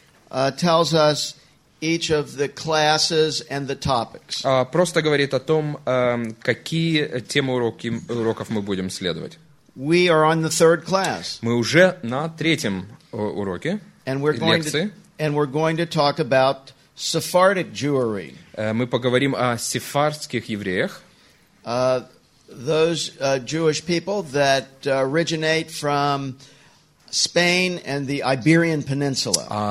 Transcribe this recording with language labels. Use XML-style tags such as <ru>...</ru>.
<en>Tells us each of the classes and the topics.</en> <ru>Просто говорит о том, какие темы уроков мы будем следовать.</ru> <en>We are on the third class.</en> <ru>Мы уже на третьем уроке.</ru> <en>And we're going</en> <ru>лекции.</ru> <en>To talk about Sephardic Jewry.</en> <ru>Мы поговорим о сефардских евреях.</ru> <en>Those Jewish people that originate from Spain and the Iberian Peninsula.</en>